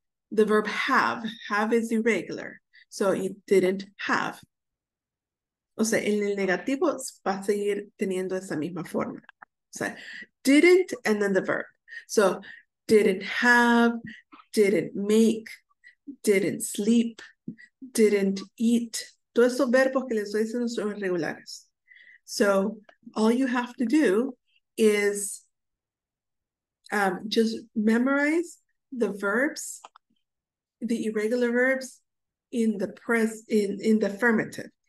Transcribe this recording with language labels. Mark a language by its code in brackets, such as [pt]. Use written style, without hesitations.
[en] The verb have is irregular, so it didn't have. [es] O sea, en el negativo va a seguir teniendo esa misma forma. O sea, [en] didn't and then the verb. So, didn't have, didn't make, didn't sleep, didn't eat. [es] Todos esos verbos que les estoy diciendo son irregulares. [en] So, all you have to do is just memorize the verbs, the irregular verbs in the in the affirmative.